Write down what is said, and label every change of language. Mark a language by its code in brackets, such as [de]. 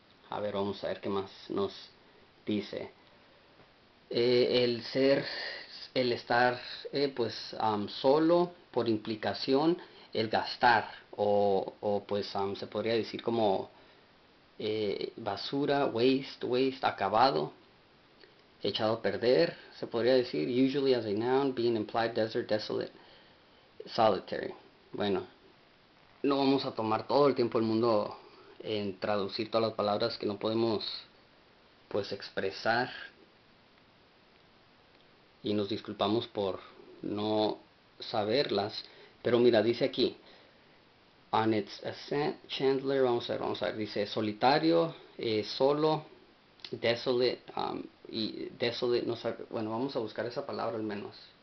[es] A ver, vamos a ver qué más nos dice. El ser, el estar pues solo, por implicación, el gastar o pues se podría decir como basura, waste, acabado, echado a perder, se podría decir. [en] Usually as a noun, being implied, desert, desolate, solitary. [es] Bueno, no vamos a tomar todo el tiempo del mundo en traducir todas las palabras que no podemos pues expresar. Y nos disculpamos por no saberlas. Pero mira, dice aquí, [en] on its ascent, [es] Chandler, vamos a ver, dice solitario, solo, desolate, y desolate, no sé, bueno, vamos a buscar esa palabra al menos.